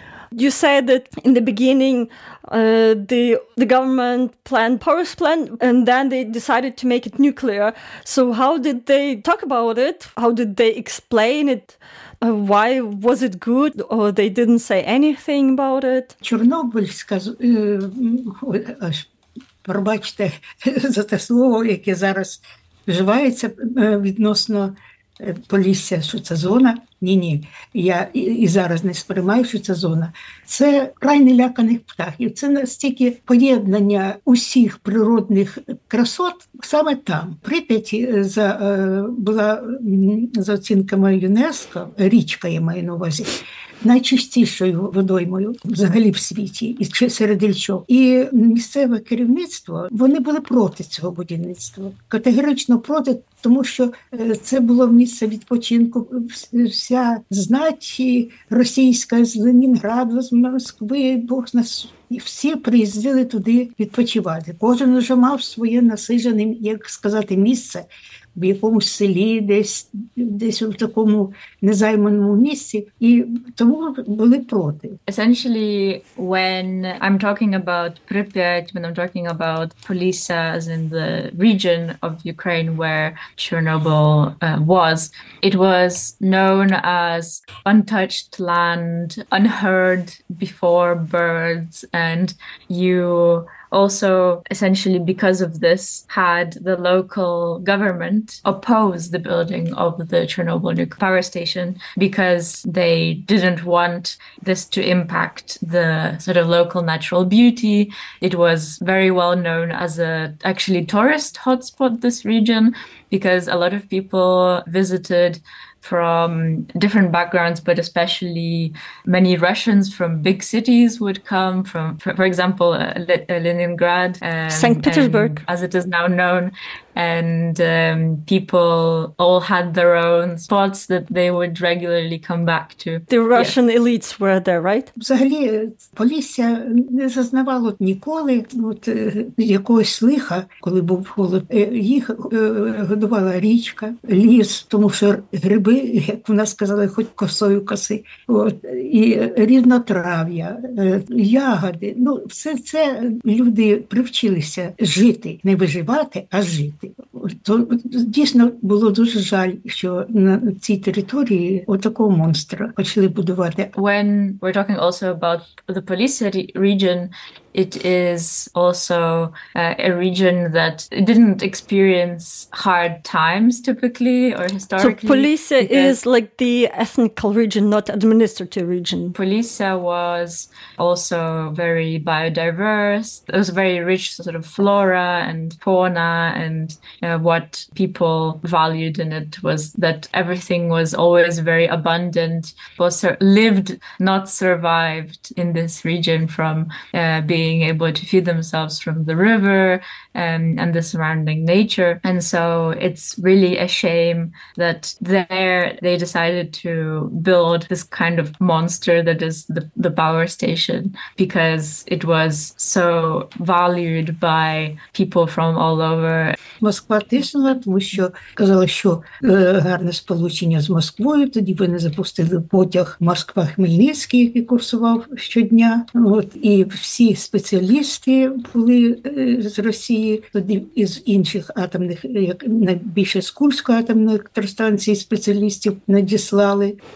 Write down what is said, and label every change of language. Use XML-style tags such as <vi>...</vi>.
<en>You said that in the beginning, the government planned power plant, and then they decided to make it nuclear. So how did they talk about it? How did they explain it? Why was it good, or they didn't say anything about it?</en> <uk>Чорнобиль сказав, аж пробачте за те слово, яке зараз вживається відносно Полісся, що це зона. Ні-ні, я і зараз не сприймаю, що це зона. Це край неляканих птахів. Це настільки поєднання усіх природних красот саме там. Прип'яті була, за оцінками ЮНЕСКО, річка, я маю на увазі, найчистішою водоймою взагалі в світі, і серед річок. І місцеве керівництво, вони були проти цього будівництва, категорично проти, тому що це було місце відпочинку. Вся знать російська з Ленінграду, з Москви, Бог нас, всі приїздили туди відпочивати. Кожен уже мав своє насижене, як сказати, місце в якомусь селі, десь в такому незайманому місці, і тому були проти.</uk> <en>Essentially, when I'm talking about Pripyat, when I'm talking about Polisa as in the region of Ukraine where Chernobyl was, it was known as untouched land, unheard before birds, and you also essentially because of this had the local government oppose the building of the Chernobyl nuclear power station because they didn't want this to impact the sort of local natural beauty. It was very well known as a actually tourist hotspot, this region, because a lot of people visited from different backgrounds, but especially many Russians from big cities would come from, for example, Leningrad, St. Petersburg, and, as it is now known. And people all had their own spots that they would regularly come back to. The Russian elites were there, right?</en> <uk>Взагалі, Полісся не зазнавало ніколи якогось лиха, коли був холод. Їх годувала річка, ліс, тому що гриби, як в нас казали, хоч косою коси. От, і різнотрав'я, ягоди. Ну, все це люди привчилися жити, не виживати, а жити. То дійсно було дуже жаль, що на цій території отакого монстра почали будувати.</uk> <en>When we're talking also about the Polisse region, it is also a region that didn't experience hard times typically or historically. So Polisse is like the ethnical region, not administrative region. Polisse was also very biodiverse. It was very rich sort of flora and fauna, and what people valued in it was that everything was always very abundant, was lived, not survived in this region from being being able to feed themselves from the river and the surrounding nature. And so it's really a shame that there they decided to build this kind of monster that is the power station, because it was so valued by people from all over.</en> <uk>Москва тиснула, тому що казала, що гарне сполучення з Москвою. Тоді вони запустили потяг Москва-Хмельницький, який курсував щодня. От, і всі спеціалісти були з Росії, тоді із інших атомних, як найбільше з Курської атомної електростанції спеціалістів надіслали.</uk>